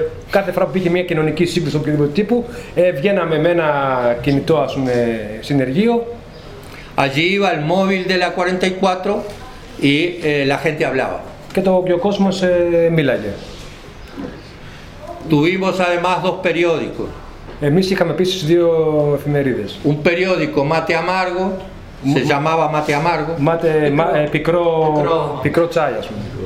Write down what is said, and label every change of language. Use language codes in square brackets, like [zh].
[el] Κάθε φορά που πήγε μια κοινωνική σύγκρουση οποιοδήποτε τύπου, βγαίναμε με ένα κινητό, ας πούμε, συνεργείο. [es] Allí iba el móvil de la 44 y la gente hablaba. [el] Και το κόσμο μίλαγε. [es] Tuvimos además dos periódicos. [el] Εμείς είχαμε επίσης δύο εφημερίδες. [es] Un periódico Mate Amargo, se llamaba Mate Amargo. [el] Mate, picró chai, ας πούμε.